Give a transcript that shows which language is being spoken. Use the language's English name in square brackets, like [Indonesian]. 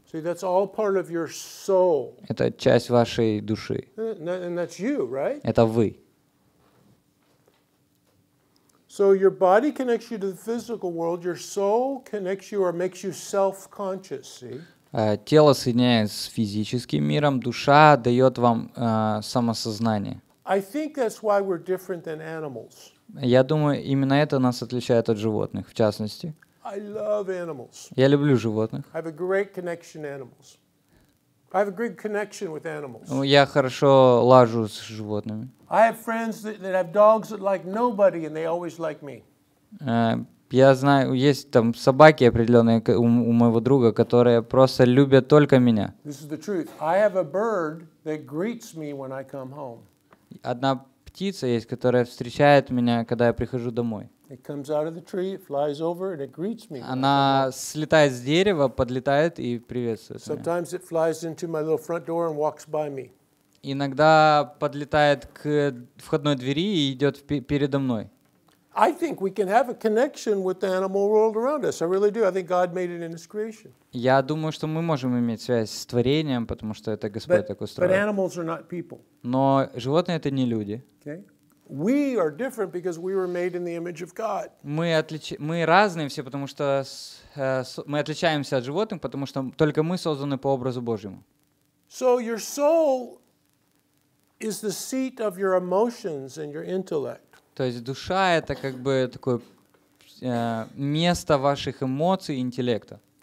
[English] See, that's all part of your soul. [Russian] Это часть вашей души. [English] And that's you, right? [Russian] Это вы. [English] So your body connects you to the physical world. Your soul connects you or makes you self-conscious. See? [Russian] Тело соединяет с физическим миром. Душа дает вам самосознание. [English] I think that's why we're different than animals. [Russian] Я думаю, именно это нас отличает от животных, в частности. [English] I love animals. [Russian] Я люблю животных. [English] I have a great connection to animals. I have a great connection with animals. [Russian] Я хорошо лажу с животными. [English] I have friends that have dogs that like nobody and they always like me. [Russian] Я знаю, есть там собаки определенные у моего друга, которые просто любят только меня. [English] This is the truth. I have a bird that greets me when I come home. [Russian] Одна птица есть, которая встречает меня, когда я прихожу домой. [English] It comes out of the tree, it flies over, and it greets me. [Russian] Она слетает с дерева, подлетает и приветствует меня. [English] Sometimes it flies into my little front door and walks by me. [Russian] Иногда подлетает к входной двери и идет передо мной. [English] I think we can have a connection with the animal world around us. I really do. I think God made it in His creation. [Russian] Я думаю, что мы можем иметь связь с творением, потому что это Господь так устроил. [English] But animals are not people. [Russian] Но животные — это не люди. [English] Okay. We are different because we were made in the image of God. [Russian] Мы разные все, потому что мы отличаемся от животных, потому что только мы созданы по образу Божьему. [English] So your soul is the seat of your emotions and your intellect. [Russian] То есть душа — это как бы такое место ваших эмоций и интеллекта.